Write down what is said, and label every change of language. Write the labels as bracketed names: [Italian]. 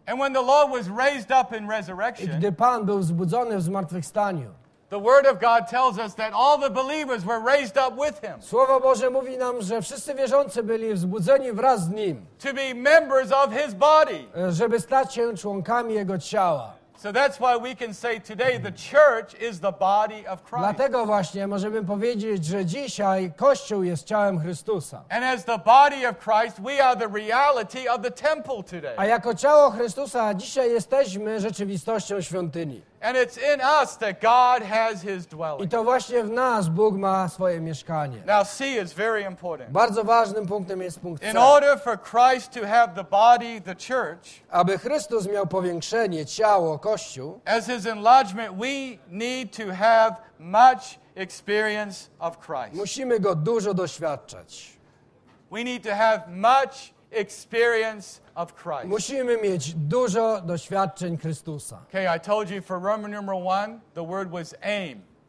[English] And when the Lord was raised up in resurrection. [Polish] I gdy Pan był wzbudzony w zmartwychwstaniu. [English] The word of God tells us that all the believers were raised up with him. [Polish] Słowo Boże mówi nam, że wszyscy wierzący byli wzbudzeni wraz z nim. [English] To be members of his body. [Polish] Żeby stać się członkami jego ciała. [English] So that's why we can say today the church is the body of Christ. [Polish] Dlatego właśnie możemy powiedzieć, że dzisiaj Kościół jest ciałem Chrystusa. [English] And as the body of Christ, we are the reality of the temple today. [Polish] A jako ciało Chrystusa dzisiaj jesteśmy rzeczywistością świątyni. [English] And it's in us that God has his dwelling. [Polish] I to właśnie w nas Bóg ma swoje mieszkanie. [English] Now C is very important. [Polish] Bardzo ważnym punktem jest punkt C. [English] In order for Christ to have the body, the church, [Polish] aby Chrystus miał powiększenie ciało Kościół, [English] as his enlargement, we need to have much experience of Christ. [Polish] Musimy go dużo doświadczać. [English] We need to have much experience of Christ. [Polish] Musimy mieć dużo doświadczeń Chrystusa. [English] Okay, I told you for Roman numeral 1, the word was aim.